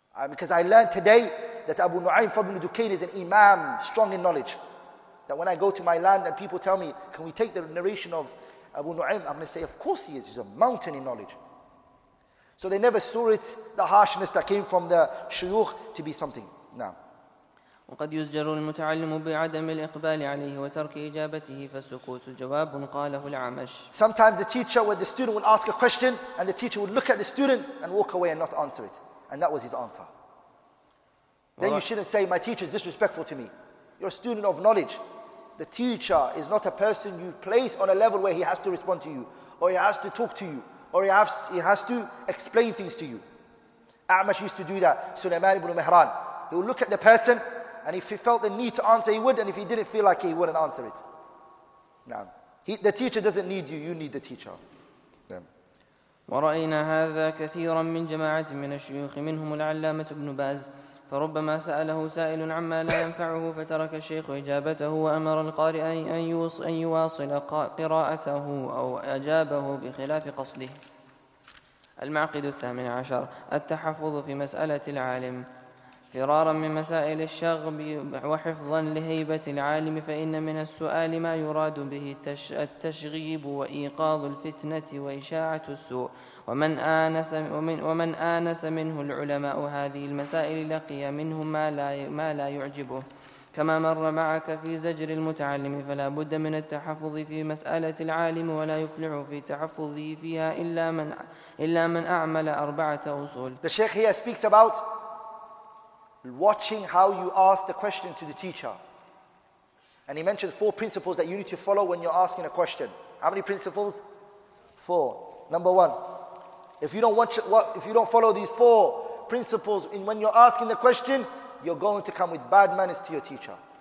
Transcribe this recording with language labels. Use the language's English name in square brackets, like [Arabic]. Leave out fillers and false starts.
[English] Because I learned today that Abu Nu'aym Fadl ibn Dukayn is an imam, strong in knowledge. That when I go to my land and people tell me, can we take the narration of Abu Nu'aym? I'm going to say, of course he is. He's a mountain in knowledge. So they never saw it, the harshness that came from the shuyukh, to be something. Now. [Arabic] وقد يزجر المتعلم بعدم الإقبال عليه وترك إجابته فالسكوت جواب قاله العمش. [English] Sometimes the teacher or the student would ask a question and the teacher would look at the student and walk away and not answer it. And that was his answer. Then you shouldn't say, my teacher is disrespectful to me. You're a student of knowledge. The teacher is not a person you place on a level where he has to respond to you or he has to talk to you or he has to explain things to you. A'mash used to do that. Sulaiman ibn Mihran. He would look at the person and if he felt the need to answer, he would, and if he didn't feel like he wouldn't answer it. Now, the teacher doesn't need you, you need the teacher. [Arabic] ورأينا هذا كثيرا من جماعة من الشيوخ منهم العلامة ابن باز فربما سأله سائل عما لا ينفعه فترك الشيخ إجابته وأمر القارئ أن يواصل قراءته أو أجابه بخلاف قصده. المعقد الثامن عشر التحفظ في مسألة العالم فرارا من مسائل الشغب وحفظا لهيبة العالم فإن من السؤال ما يراد به التشغيب وإيقاظ الفتنة وإشاعة السوء ومن آنس منه العلماء هذه المسائل لقي منه ما لا يعجبه كما مر معك في زجر المتعلم فلا بد من التحفظ في مسألة العالم ولا يفلح في تحفظه فيها إلا من أعمل أربعة أصول. [English] The Sheikh here speaks about watching how you ask the question to the teacher. And he mentions four principles that you need to follow when you're asking a question. How many principles? Four. Number one, if you don't follow these four principles in when you're asking the question, you're going to come with bad manners to your teacher.